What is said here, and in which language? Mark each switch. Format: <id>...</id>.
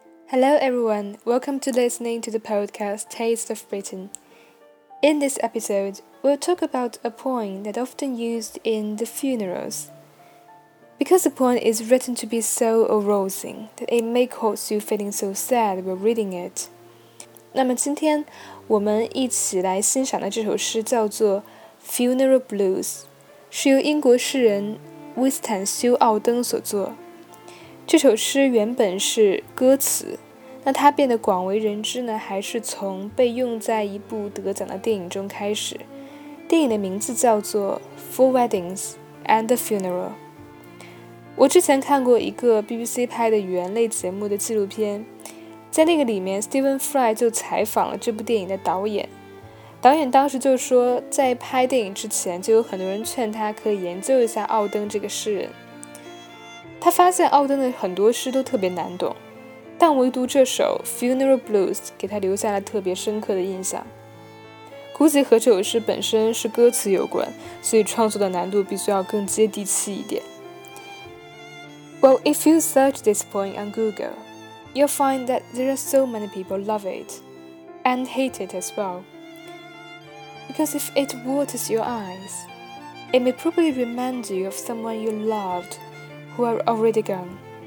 <en>Hello everyone, welcome to listening to the podcast Taste of Britain. In this episode, we'll talk about a poem that's often used in the funerals. Because the poem is written to be so arousing that it may cause you feeling so sad while reading it.</en> <zh>那么今天我们一起来欣赏的这首诗叫做 Funeral Blues, 是由英国诗人威斯坦修奥登所作。这首诗原本是歌词，那它变得广为人知呢，还是从被用在一部得奖的电影中开始。电影的名字叫做 Four Weddings and a Funeral。我之前看过一个 BBC 拍的语言类节目的纪录片，在那个里面 Stephen Fry 就采访了这部电影的导演。导演当时就说，在拍电影之前就有很多人劝他可以研究一下奥登这个诗人。他发现奥登的很多诗都特别难懂，但唯独这首 Funeral Blues 给他留下了特别深刻的印象。估计和这首诗本身是歌词有关，所以创作的难度必须要更接地气一点。</zh> <en>Well, if you search this poem on Google, you'll find that there are so many people love it and hate it as well. Because if it waters your eyes, it may probably remind you of someone you lovedwho are already gone.</en>